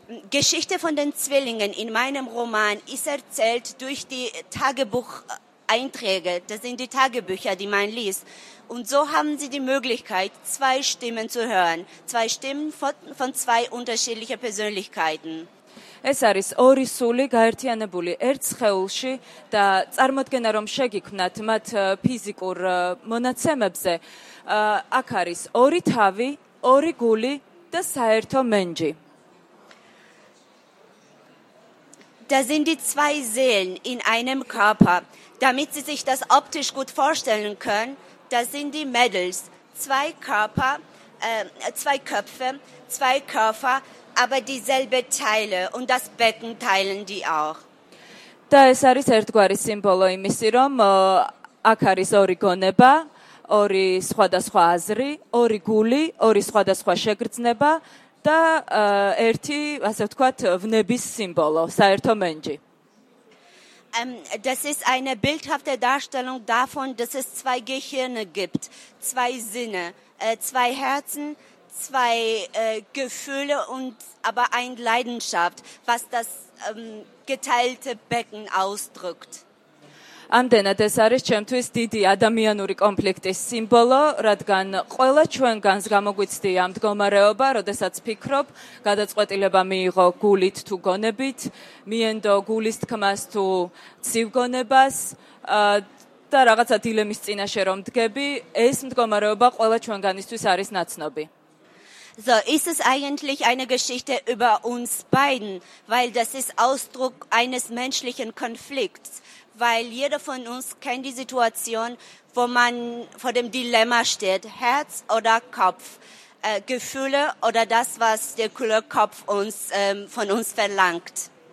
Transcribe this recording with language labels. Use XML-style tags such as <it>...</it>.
<de>Geschichte von den Zwillingen in meinem Roman ist erzählt durch die Tagebucheinträge, das sind die Tagebücher, die man liest. Und so haben sie die Möglichkeit, zwei Stimmen zu hören, zwei Stimmen von zwei unterschiedlichen Persönlichkeiten.</de> <ka>Ეს არის ორი სული გაერთიანებული ერთ სხეულში და წარმოდგენა რომ შეგიქმნათ მათ ფიზიკურ მონაცემებზე აქ არის ორი თავი, ორი გული და საერთო მენჯი.</ka> <de>Da sind die zwei Seelen in einem Körper. Damit Sie sich das optisch gut vorstellen können, da sind die Mädels, zwei Körper, zwei Köpfe, zwei Körper. Aber dieselbe Teile und das Becken teilen die auch.</de> <ka>Da ეს არის ერთგვარი სიმბოლო იმისი, რომ აქ არის ორი გონება, ორი სხვადასხვა აზრი, ორი გული, ორი სხვადასხვა შეგრძნება და ერთი, ასე ვთქვათ, ვნების სიმბოლო, საერთო მენჯი.</ka> <de>Das ist eine bildhafte Darstellung davon, dass es zwei Gehirne gibt, zwei Sinne, zwei Herzen. Zwei Gefühle und aber ein Leidenschaft, was das geteilte Becken ausdrückt.</de> <ka>Ამდენად ეს არის ჩემთვის დიდი ადამიანური კონფლიქტის სიმბოლო, რადგან ყველა ჩვენგანს გამოგვიცდია მდგომარეობა, როდესაც ფიქრობ, გადაწყვეტილება მიიღო გულით თუ გონებით, მიენდო გულის თქმას თუ ცივგონებას, და რაღაცა დილემის წინაშე რომ დგები, ეს მდგომარეობა ყველა ჩვენგანისთვის არის ნაცნობი.</ka> <de>So ist es eigentlich eine Geschichte über uns beiden, weil das ist Ausdruck eines menschlichen Konflikts, weil jeder von uns kennt die Situation, wo man vor dem Dilemma steht, Herz oder Kopf, Gefühle oder das, was der kühle Kopf uns von uns verlangt.</de>